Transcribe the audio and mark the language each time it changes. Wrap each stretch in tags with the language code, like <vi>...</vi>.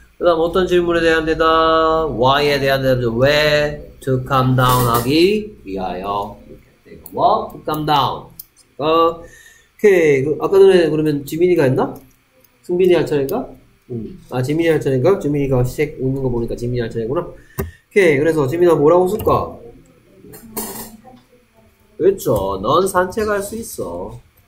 <ko>그 다음 어떤 질문에 대한 대답? Why에 대한 대답?</ko> <en>Where to come down</en> <ko>하기 위하여.</ko> <en>You can take a walk to come down. 오케이.</en> <ko>아까 전에 그러면 지민이가 했나? 승빈이 할 차례인가? 아, 지민이 할 차례인가? 지민이가 책 읽는 거 보니까 지민이 할 차례구나. 오케이. 그래서 지민아 뭐라고 쓸까? 그렇죠. 넌 산책할 수 있어.</ko>